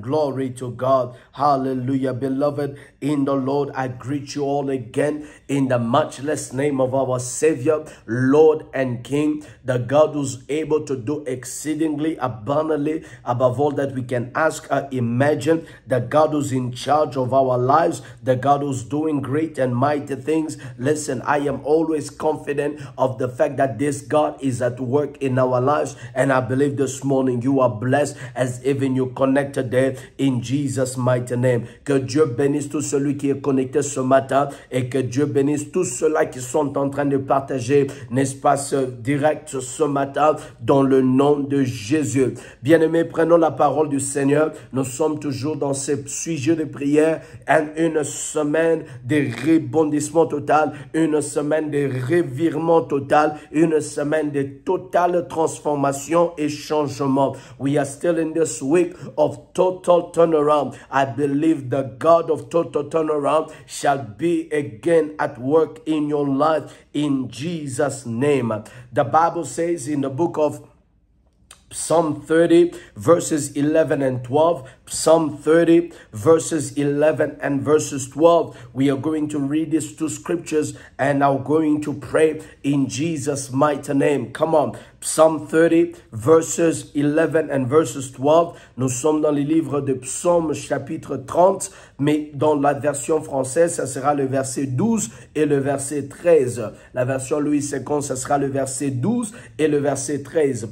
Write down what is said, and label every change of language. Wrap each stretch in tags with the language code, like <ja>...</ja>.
<en>Glory to God. Hallelujah. Beloved in the Lord, I greet you all again in the matchless name of our Savior, Lord and King, the God who's able to do exceedingly abundantly above all that we can ask or imagine, the God who's in charge of our lives, the God who's doing great and mighty things. Listen, I am always confident of the fact that this God is at work in our lives, and I believe this morning you are blessed as even you connect today in Jesus' mighty name.</en> <fr>Que Dieu bénisse tout celui qui est connecté ce matin, et que Dieu bénisse tous ceux-là qui sont en train de partager, n'est-ce pas, ce direct ce matin, dans le nom de Jésus. Bien-aimés, prenons la parole du Seigneur. Nous sommes toujours dans ce sujet de prière, une semaine de rebondissement total, une semaine de revirement total, une semaine de totale transformation et changement.</fr> <en>We are still in this week of total turnaround. I believe the God of total turnaround shall be again at work in your life in Jesus' name. The Bible says in the book of Psalm 30, verses 11 and 12, Psalm 30, verses 11 and verses 12. We are going to read these two scriptures and are going to pray in Jesus' mighty name. Come on. Psalm 30, verses 11 and verses 12.</en> <fr>Nous sommes dans les livres de Psaume, chapitre 30, mais dans la version française, ça sera le verset 12 et le verset 13. La version Louis II, ça sera le verset 12 et le verset 13.</fr>